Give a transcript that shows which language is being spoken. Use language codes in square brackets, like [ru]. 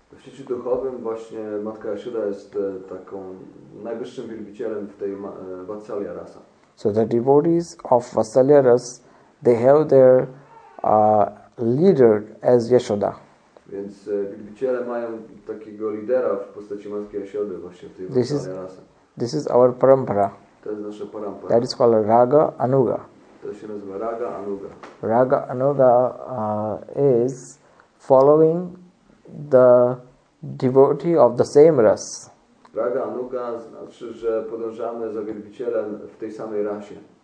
[pl] W świecie duchowym właśnie Matka Yashoda jest taką najwyższym wielbicielem w tej Vatsalya Rasa. [en] So the devotees of Vatsalya Ras, they have their leader as Yashoda. [pl] Więc wielbiciele mają takiego lidera w postaci matki Yashody właśnie tej wyznanej rasy. [en] This is our parampara. [pl] To jest nasza parampara. [en] That is called Raga Anuga. [pl] To się nazywa Raga Anuga. [en] Raga Anuga is following the devotee of the same race. [pl] Raga Anuga znaczy, że podążamy za wielbicielem w tej samej rasie.